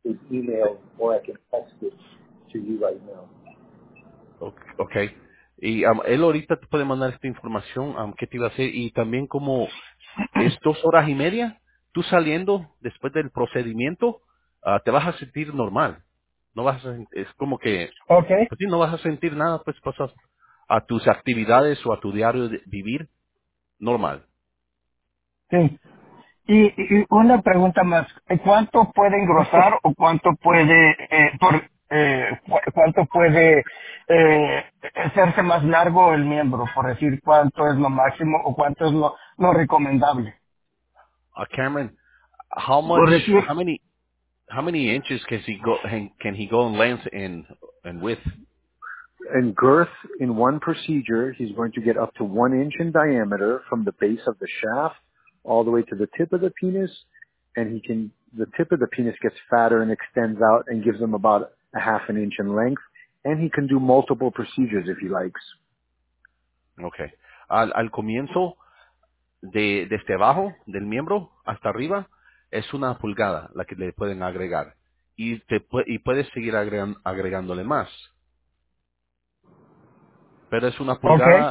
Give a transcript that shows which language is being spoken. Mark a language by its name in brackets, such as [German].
[English] email, or I can text it to you right now. Okay. [Spanish] Y él ahorita te puede mandar esta información, ¿qué te iba a hacer? Y también como es 2 horas y media, tú saliendo después del procedimiento, te vas a sentir normal. No vas a sentir, es como que okay. Pues, sí, no vas a sentir nada, pues pasas a tus actividades o a tu diario de vivir normal. Sí. Y una pregunta más. ¿Cuánto puede engrosar o cuánto puede hacerse más largo el miembro, por decir cuánto es lo máximo o cuánto es lo recomendable? [English] Cameron, how many inches can he go in length and width? In girth, in one procedure, he's going to get up to 1 inch in diameter from the base of the shaft all the way to the tip of the penis, and the tip of the penis gets fatter and extends out and gives him about a half an inch in length, and he can do multiple procedures if he likes. Okay. [Spanish] Al comienzo, desde abajo del miembro hasta arriba, es 1 pulgada la que le pueden agregar. Y puedes seguir agregándole más. Pero es 1 pulgada.